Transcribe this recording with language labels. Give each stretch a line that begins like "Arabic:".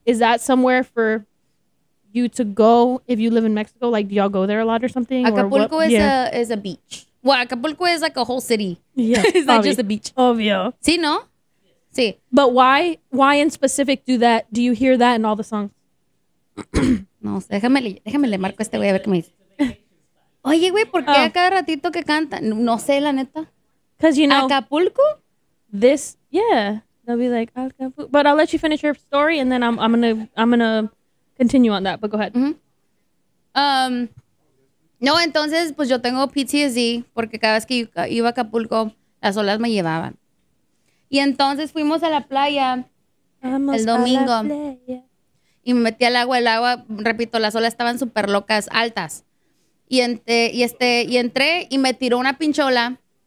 English: Is that somewhere for... you to go if you live in Mexico? Like, do y'all go there a lot or something? Acapulco or what? Is yeah. is a beach. Well, Acapulco is like a whole city. Yeah. It's not just a beach.
Spanish: Obvio. Sí, no? Sí.
English: But why in specific do that? Do you hear that in all the songs?
Spanish: No, déjame le marco a este güey a ver qué me dice. Oye, güey, ¿por qué a cada ratito que canta? No sé, la neta.
English: Because, you know. Acapulco? This, yeah. They'll be like, Acapulco. But I'll let you finish your story and then I'm gonna continue on that, but go ahead. Mm-hmm.
Spanish: No, entonces, pues yo tengo PTSD porque cada vez que iba a Acapulco, las olas me llevaban. Y entonces fuimos a la playa el domingo. Y me metí al agua. El agua, repito, las olas estaban súper locas, altas. Y entré y me tiró una pinchola.